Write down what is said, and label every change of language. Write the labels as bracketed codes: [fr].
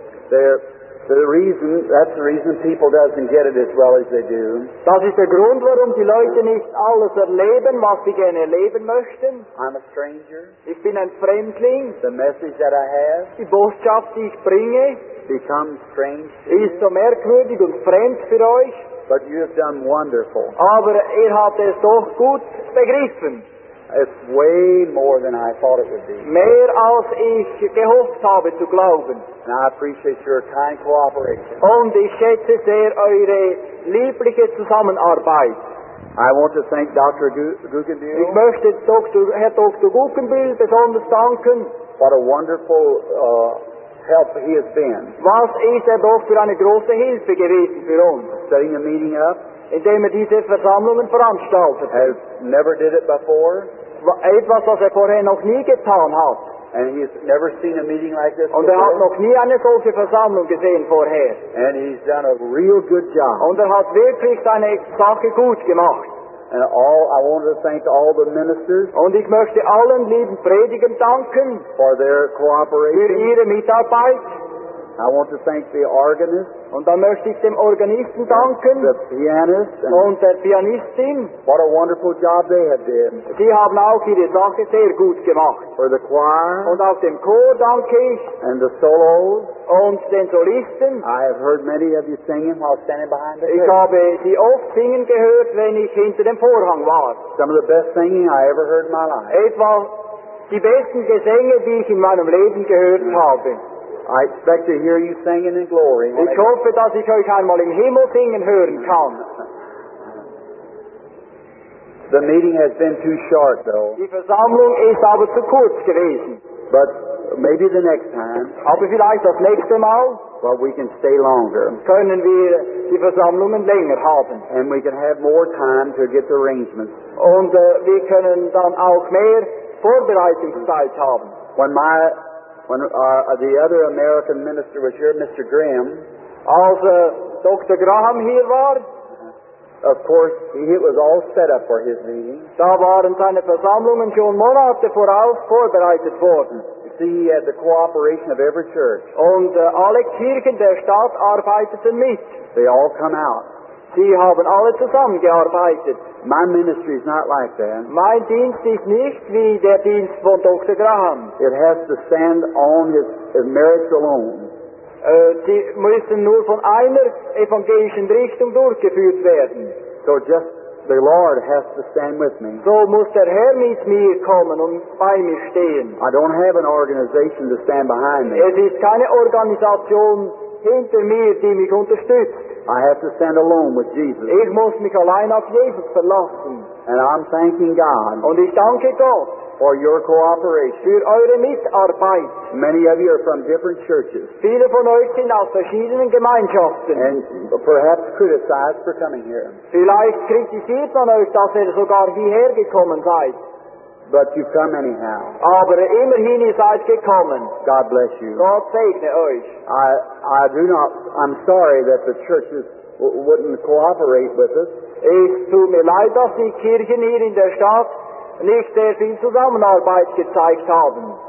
[en] That's the reason people doesn't get it as well as they do. [de] Das ist der Grund, warum die Leute nicht alles erleben, was sie gerne erleben möchten. [en] I'm a stranger. [de] Ich bin ein Fremdling. [en] The message that I have. [de] Die Botschaft, die ich bringe. [en] Become strange. [de] Ist so merkwürdig und fremd für euch. [en] But you have done wonderful. [de] Aber ihr habt es doch gut begriffen. [en] It's way more than I thought it would be. [de] Mehr als ich gehofft habe zu glauben. [en] And I appreciate your kind cooperation. [de] Und ich schätze sehr eure liebliche Zusammenarbeit. [en] I want to thank Dr. Guggenbühl. [de] Ich möchte Herr Dr. Guggenbühl besonders danken. [en] What a wonderful help he has been. [de] Was ist er doch für eine große Hilfe gewesen für uns. [en] Setting a meeting up. [de] Indem er diese Versammlungen veranstaltet. [en] Has never did it before. [de] Etwas, was er vorher noch nie getan hat. [en] And he's never seen a meeting like this. [de] Und er [en] before. [de] Hat noch nie eine solche Versammlung gesehen vorher. [en] And he's done a real good job. [de] Und er hat wirklich seine Sache gut gemacht. [en] I want to thank all the ministers. [de] Und ich möchte allen lieben Predigern danken. [en] For their cooperation. [de] Für ihre Mitarbeit. [en] I want to thank the organist. [de] Und dann möchte ich dem Organisten danken. [en] The pianist. [de] Und der Pianistin. [en] What a wonderful job they have done. [de] Sie haben auch ihre Sache sehr gut gemacht. [en] For the choir. [de] Und auch dem Chor danke ich. [en] And the solos. [de] Und den Solisten. [en] I have heard many of you singing while standing behind the curtain. [de] Ich habe sie oft singen gehört, wenn ich hinter dem Vorhang war. [en] Some of the best singing I ever heard in my life. [de] Etwa die besten Gesänge, die ich in meinem Leben gehört habe. [en] I expect to hear you singing in glory. [de] Ich hoffe, dass ich euch einmal im Himmel singen hören kann. [en] The meeting has been too short, though. [de] Die Versammlung ist aber zu kurz gewesen. [en] But maybe the next time. [de] Aber vielleicht das nächste Mal. [en] But we can stay longer. [de] Können wir die Versammlungen länger haben. [en] And we can have more time to get the arrangements. [de] Und wir können dann auch mehr Vorbereitungszeit haben. [en] When the other American minister was here, Mr. Graham. [de] Als Dr. Graham hier war. [en] Of course, it was all set up for his meeting. [de] Da waren seine Versammlungen schon Monate voraus vorbereitet worden. [en] You see, he had the cooperation of every church. [de] Und alle Kirchen der Stadt arbeiteten mit. [en] They all come out. [de] Sie haben alle zusammengearbeitet. [en] My ministry is not like that. [de] Mein Dienst ist nicht wie der Dienst von Dr. Graham. [en] It has to stand on his merits alone. [de] Sie müssen nur von einer evangelischen Richtung durchgeführt werden. [en] So just the Lord has to stand with me. [de] So muss der Herr mit mir kommen und bei mir stehen. [en] I don't have an organization to stand behind me. [de] Es ist keine Organisation hinter mir, die mich unterstützt. [en] I have to stand alone with Jesus. [de] Ich muss mich allein auf Jesus verlassen. [en] And I'm thanking God. [de] Und ich danke Gott. [en] For your cooperation. [de] Für eure Mitarbeit. [en] Many of you are from different churches. [de] Viele von euch sind aus verschiedenen Gemeinschaften. [en] And perhaps criticized for coming here. [de] Vielleicht kritisiert man euch, dass ihr sogar hierher gekommen seid. [en] But you've come anyhow. [de] Aber immerhin ihr seid gekommen. [en] God bless you. [de] Gott segne euch. [en] I'm sorry that the churches wouldn't cooperate with us. [de] Es tut mir leid, dass die Kirchen hier in der Stadt nicht sehr viel Zusammenarbeit gezeigt haben.